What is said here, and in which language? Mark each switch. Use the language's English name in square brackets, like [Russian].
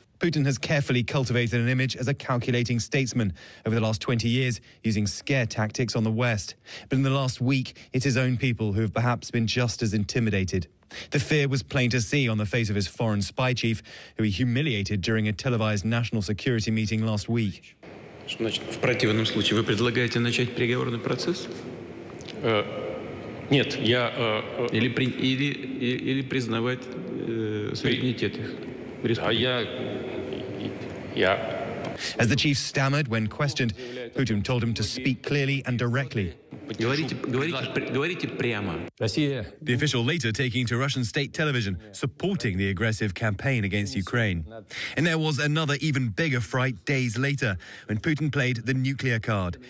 [English] Putin has carefully cultivated an image as a calculating statesman over the last 20 years, using scare tactics on the West. But in the last week, it's his own people who have perhaps been just as intimidated. The fear was plain to see on the face of his foreign spy chief, who he humiliated during a televised national security meeting last week. [Russian] В противном случае вы предлагаете начать переговорный процесс? Нет, я или признавать суверенитет их. [English] As the chief stammered when questioned, Putin told him to speak clearly and directly. The official later taking to Russian state television, supporting the aggressive campaign against Ukraine. And there was another even bigger fright days later, when Putin played the nuclear card.